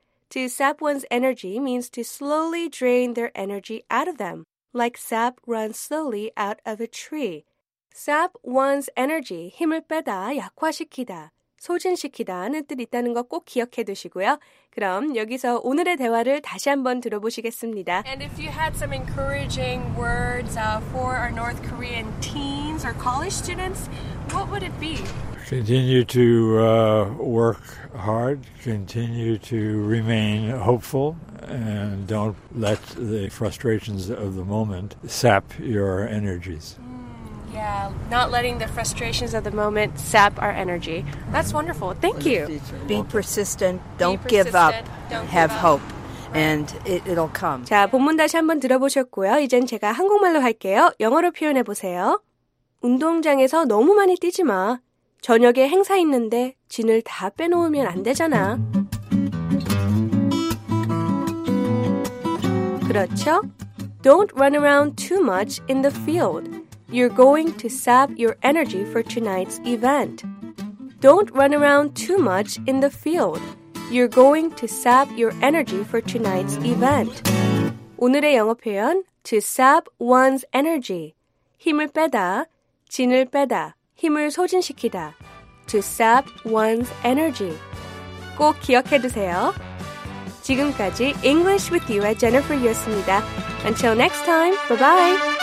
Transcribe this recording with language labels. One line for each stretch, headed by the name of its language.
English: To sap one's energy means to slowly drain their energy out of them, like sap runs slowly out of a tree.
Korean: Sap one's energy, 힘을 빼다, 약화시키다, 소진시키다는 뜻 있다는 거 꼭 기억해 두시고요. 그럼 여기서 오늘의 대화를 다시 한번 들어보시겠습니다.
English: And if you had some encouraging words for our North Korean teens or college students, what would it be? Continue to work hard, continue to remain hopeful, and don't let the frustrations of the moment sap your energies. Yeah, not letting the frustrations of the moment sap our energy. That's wonderful. Thank you. Be persistent. Don't give up. Have hope. And it'll come.
Korean: 자, 본문 다시 한번 들어보셨고요. 이젠 제가 한국말로 할게요. 영어로 표현해 보세요. 운동장에서 너무 많이 뛰지 마. 저녁에 행사 있는데 진을 다 빼놓으면 안 되잖아. 그렇죠?
English: Don't run around too much in the field. You're going to sap your energy for tonight's event. Don't run around too much in the field. You're going to sap your energy for tonight's event.
Korean: 오늘의 영어 표현, to sap one's energy. 힘을 빼다, 진을 빼다, 힘을 소진시키다.
English: To sap one's energy.
Korean: 꼭 기억해 두세요. 지금까지 English with you의 Jennifer였습니다.
English: Until next time, bye-bye.